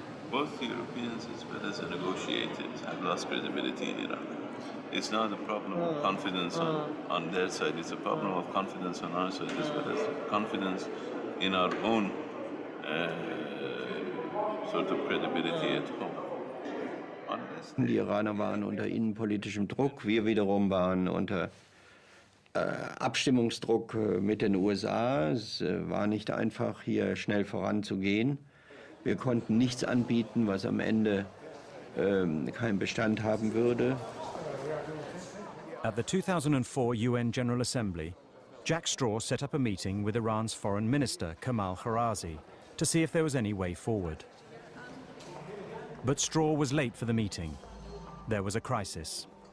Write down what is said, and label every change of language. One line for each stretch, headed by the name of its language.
English: Both the Europeans as well as the negotiators have lost credibility in Iran. It's not a problem of confidence on their side, it's a problem of confidence on our side as well as confidence in our own sort of credibility at home.
German: Die Iraner waren unter innenpolitischem Druck, wir wiederum waren unter Abstimmungsdruck mit den USA. Es war nicht einfach, hier schnell voranzugehen. Wir konnten nichts anbieten, was am Ende keinen Bestand haben würde.
English: At the 2004 UN General Assembly, Jack Straw set up a meeting with Iran's foreign minister, Kamal Harazi, to see if there was any way forward. But Straw was late for the meeting. There was a crisis.